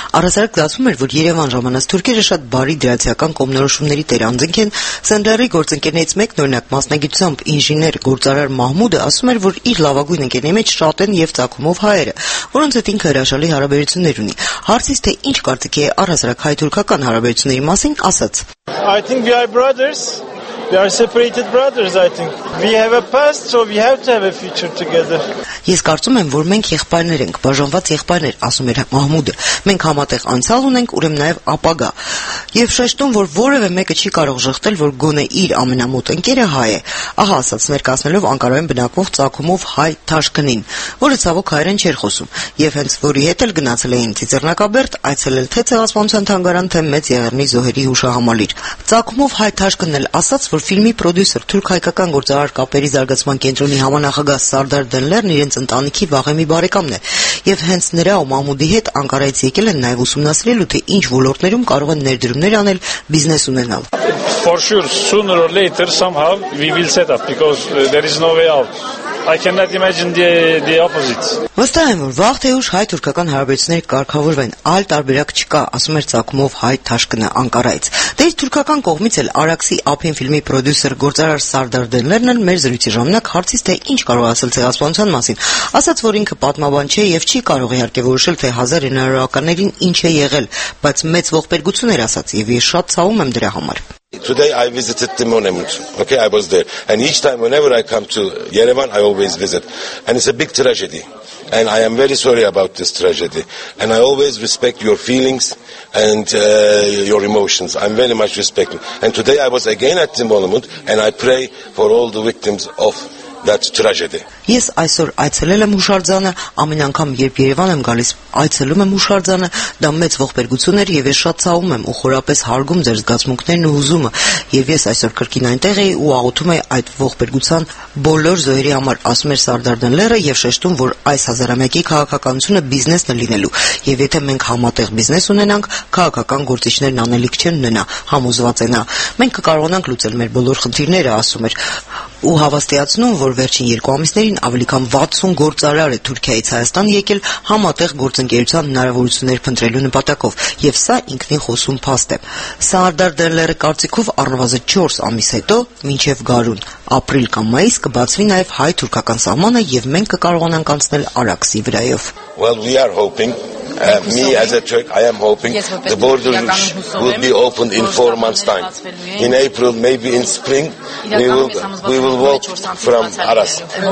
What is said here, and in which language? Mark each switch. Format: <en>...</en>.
<hy>Առհասարակ ասում էր, որ Երևան ժամանած թուրքերը շատ բարի դրացիական կողմնորոշումների տեր անձինք են։ Սենդլերի գործընկերներից մեկն, օրինակ, մասնագիտությամբ ինժիներ գործարար Մահմուդը ասում էր, որ իր լավագույն ընկերների մեջ շատ են և ծագումով հայերը, որոնց հետ ինքը հրաշալի հարաբերություններ ունի։ Հարցից թե ինչ կարծիքի է առհասարակ հայ-թուրքական հարաբերությունների մասին, ասաց.</hy> <en>I think we are brothers. We are separated brothers, I think. We have a past, so we have to have a future together.</en> <hy>Ես կարծում եմ, որ մենք եղբայրներ ենք, բաժանված եղբայրներ, ասում էր Մահմուդը։ Մենք համատեղ անցյալ ունենք, ուրեմն նաև ապագա։ Եվ շեշտում, որ որևէ մեկը չի կարող շեղտել, որ գոնե իր ամենամոտ ընկերը հայ է։ Ահա ասաց ներկայացնելով Անկարայում բնակվող ծագումով հայ Թաշկնին, որը ցավոք հայերեն չէր խոսում, և հենց որի հետ էլ գնացել էին Ծիծեռնակաբերդ, այցելել թե ցեղասպանության թանգարան, թե Մեծ Եղեռնի զոհերի հուշահամալիր։ Ծագումով հայ Թաշկնն էլ ասաց, որ ֆիլմի պրոդյուսեր թուրք-հայկական գործարար կապերի զարգացման կենտրոնի համանախագահ Սարդար Դենլերն իրենց ընտանիքի վաղեմի բարեկամն է, և հենց նրա ու Մահմուդի հետ Անկարայից եկել են նաև ուսումնասիրելու, թե ինչ ոլորտներում կարող են ներդրումներ անել, բիզնես ունենալ։</hy> <en>For sure, sooner or later, somehow, we will set up, because there is no way out. I cannot imagine the opposite.</en> <hy>Վստահ եմ, որ վաղ թե ուշ հայ-թուրքական հարաբերությունները կարգավորվեն, այլ տարբերակ չկա, ասում էր ծագումով հայ Թաշկնը Անկարայից։ Դեր թուրքական կողմից էլ Արաքսի Ափին ֆիլմի պրոդյուսեր գործարար Սարդար Դենլերն են մեր զրույցի ժամանակ հարցից, թե ինչ կարող ասել ցեղասպանության մասին, ասաց, որ ինքը պատմաբան չէ և չի կարող իհարկե որոշել, թե 1900-ականներին ինչ է եղել, բայց մեծ ողբերգություն էր ասաց, և ես շատ ցավում եմ դրա համար։</hy> <en>Today I visited the monument. Okay, I was there. And each time, whenever I come to Yerevan, I always visit. And it's a big tragedy. And I am very sorry about this tragedy. And I always respect your feelings and your emotions. I'm very much respecting. And today I was again at the monument, and I pray for all the victims of that tragedy.</en> <hy>Ես այսօր այցելել եմ հուշարձանը, ամեն անգամ, երբ Երևան եմ գալիս, այցելում եմ հուշարձանը, դա մեծ ողբերգություն էր և ես շատ ցավում եմ ու խորապես հարգում ձեր զգացմունքներն ու հուզումը, և ես այսօր կրկին այնտեղ էի ու աղոթում եմ այդ ողբերգության բոլոր զոհերի համար, ասում էր Սարդար Դենլերը և շեշտում, որ այս հազարամյակի քաղաքականությունը բիզնեսն է լինելու, և եթե մենք համատեղ բիզնես ունենանք, քաղաքական գործիչներն անելիք չեն ունենա, համոզված է նա, մենք կկարողանանք լուծել մեր բոլոր խնդիրները, ասում էր, ու հավաստիացնում, որ վերջին երկու ամիսներ ավելի քան 60 գործարար է Թուրքիայից Հայաստան եկել համատեղ գործընկերության հնարավորություններ փնտրելու նպատակով, և սա ինքնին խոսում փաստ է։ Սարդար Դենլերի կարծիքով առնվազն 4 ամիս հետո, մինչև գարուն, ապրիլ կամ մայիս կբացվի նաև հայ-թուրքական սահմանը, և մենք կկարողանանք անցնել Արաքսի վրայով։</hy> <en>Well, we are hoping, me as a Turk, I am hoping the border will be opened in 4 months' time. In April, maybe in spring, we will walk from Aras.</en>